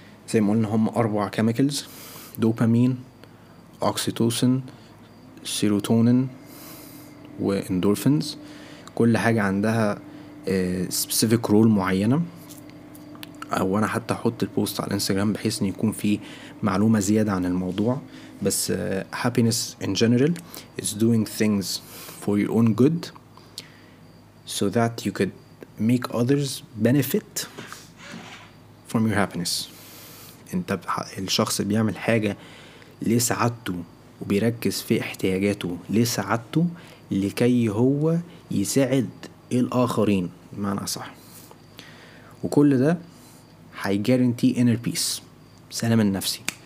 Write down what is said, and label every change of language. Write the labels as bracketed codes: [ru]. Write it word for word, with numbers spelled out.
[ar] زي ما قلنا هم أربع كيميكلز: دوبامين، أكسيتوسين، سيروتونين، واندورفينز. كل حاجة عندها سبيسيفيك رول معينة، او انا حتى احط البوست على الانستجرام بحيث ان يكون في معلومة زيادة عن الموضوع. بس [en] uh, happiness in general is doing things for your own good so that you could make others benefit from your happiness. [ar] انت الشخص بيعمل حاجة لسعادته وبيركز في احتياجاته لسعادته لكي هو يساعد الآخرين بمعنى أصح، وكل ده هيجارنتي [en] inner peace، [ar] سلام النفسي.